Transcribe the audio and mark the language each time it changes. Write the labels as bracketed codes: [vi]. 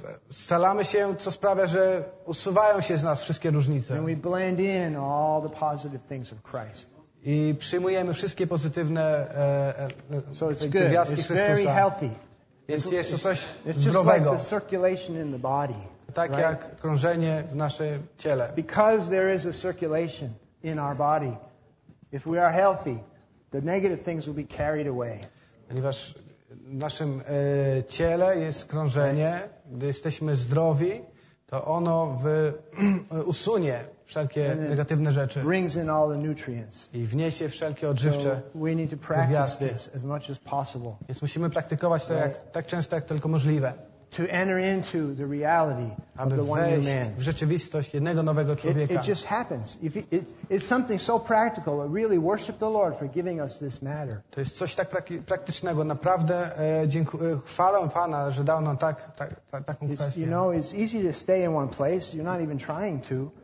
[pl] Scalamy się, co sprawia, że usuwają się z nas wszystkie różnice. [en] And we blend in all the positive things of Christ. [pl] I przyjmujemy wszystkie pozytywne gwiazdki Chrystusa. [en] Very [pl] więc jest to coś [en] it's [pl] zdrowego. [en] Like the circulation in the body, [pl] tak [en] right? [pl] Jak krążenie w naszym ciele. [en] Because there is a circulation in our body, if we are healthy, the negative things will be carried away. [pl] Ponieważ w naszym ciele jest krążenie, gdy jesteśmy zdrowi, to ono usunie wszelkie negatywne rzeczy [en] in all the nutrients. [pl] I wniesie wszelkie odżywcze gwiazdy. Więc musimy praktykować to tak często, jak tylko możliwe. [en] To enter into the reality [pl] aby [en] of the [pl] wejść [en] one new man. [pl] W rzeczywistość jednego nowego człowieka. [en] It just happens. It's something so practical. Really worship the Lord for giving us this matter. [pl] To jest coś tak praktycznego. Naprawdę chwalę Pana, że dał nam taką kwestię. [en] You know, it's easy to stay in one place. You're not even trying to.